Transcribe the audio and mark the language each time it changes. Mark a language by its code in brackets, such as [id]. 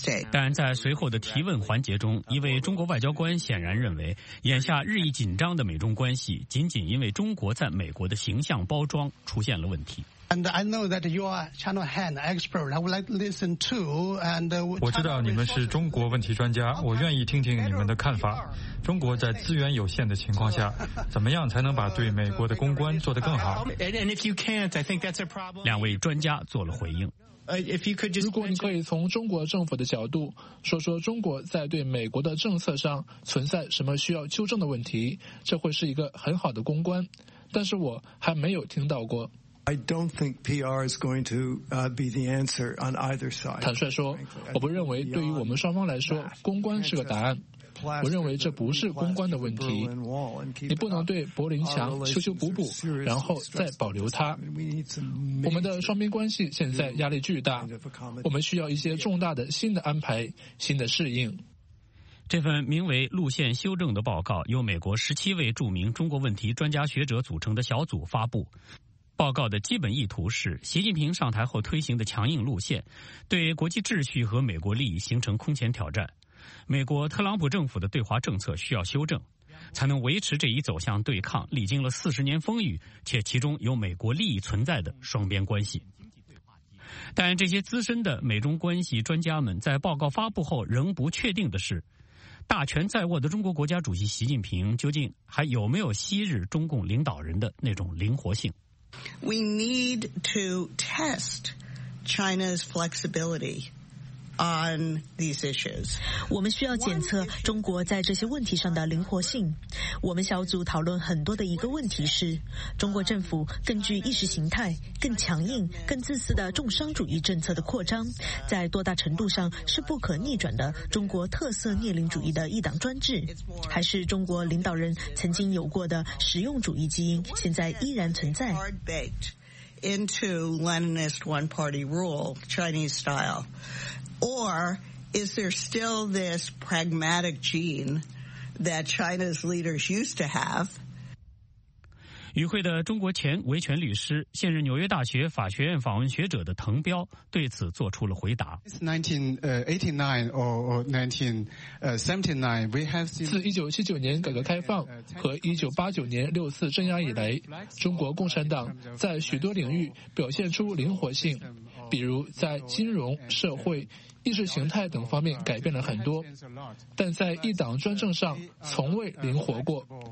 [zh] 但在随后的提问环节中，一位中国外交官显然认为，眼下日益紧张的美中关系仅仅因为中国在美国的形象包装出现了问题。 [en] And I know that you are Channel Han expert. I would like to listen to. And [zh] 我知道你们是中国问题专家，我愿意听听你们的看法。中国在资源有限的情况下，怎么样才能把对美国的公关做得更好？ [en] And if you can't, I think that's a problem. [zh] 两位专家做了回应。如果你可以从中国政府的角度说说中国在对美国的政策上存在什么需要纠正的问题，这会是一个很好的公关。但是我还没有听到过。 [en] I don't think PR is going to be the answer on either side. [zh] 坦率说，我不认为对于我们双方来说，公关是个答案。我认为这不是公关的问题。你不能对柏林墙修修补补，然后再保留它。我们的双边关系现在压力巨大，我们需要一些重大的新的安排，新的适应。这份名为路线修正的报告由美国17位著名中国问题专家学者组成的小组发布。报告的基本意图是，习近平上台后推行的强硬路线，对国际秩序和美国利益形成空前挑战。美国特朗普政府的对华政策需要修正，才能维持这一走向对抗、历经了40年风雨且其中有美国利益存在的双边关系。但这些资深的美中关系专家们在报告发布后仍不确定的是，大权在握的中国国家主席习近平究竟还有没有昔日中共领导人的那种灵活性。 [en] We need to test China's flexibility on these issues. [zh] 我们需要检测中国在这些问题上的灵活性。我们小组讨论很多的一个问题是，中国政府根据意识形态、更强硬、更自私的重商主义政策的扩张，在多大程度上是不可逆转的中国特色聂令主义的一党专制，还是中国领导人曾经有过的实用主义基因现在依然存在？ [en] Into Leninist one-party rule, Chinese style, or is there still this pragmatic gene that China's leaders used to have? [zh] 与会的中国前维权律师、现任纽约大学法学院访问学者的滕彪对此做出了回答。自1979年改革开放和1989年六次镇压以来，中国共产党在许多领域表现出灵活性，比如在金融、社会、意识形态等方面改变了很多，但在一党专政上从未灵活过。